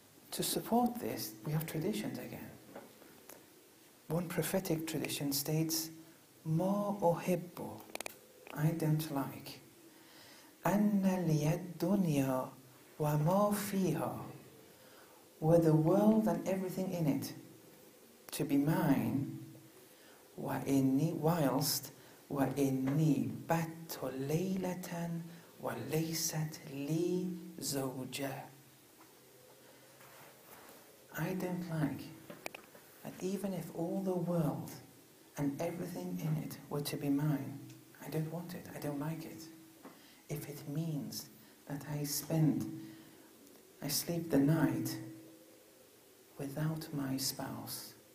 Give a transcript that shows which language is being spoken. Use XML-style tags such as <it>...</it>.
<en>To support this, we have traditions again. One prophetic tradition states,</en> <ar>"Ma uhibbu,</ar> <en>I don't like,</en> <ar>anna liyad dunya wa ma fiha,</ar> <en>were the world and everything in it to be mine, whilst</en> <ar>وإني بت ليلة وليست لي زوجة.</ar> <en>I don't like that even if all the world and everything in it were to be mine, I don't want it, I don't like it. If it means that I sleep the night without my spouse.</en>